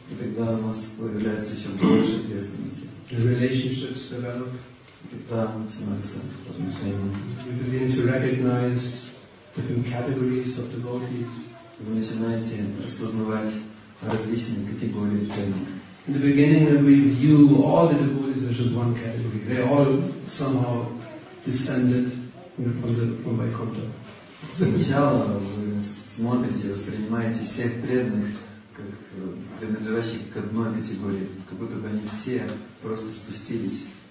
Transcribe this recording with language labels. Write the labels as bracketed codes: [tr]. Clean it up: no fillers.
[ru] И тогда у нас появляется еще больше ответственности. [en] The relationships develop. We begin to recognize different categories of devotees. [ru] Вы начинаете распознавать различные категории преданных. [en] In the beginning, when we view all the devotees as just one category, they all somehow descended from Vaikuntha. [ru] Сначала вы смотрите, воспринимаете всех преданных как принадлежащих к одной категории, как будто бы они все просто спустились.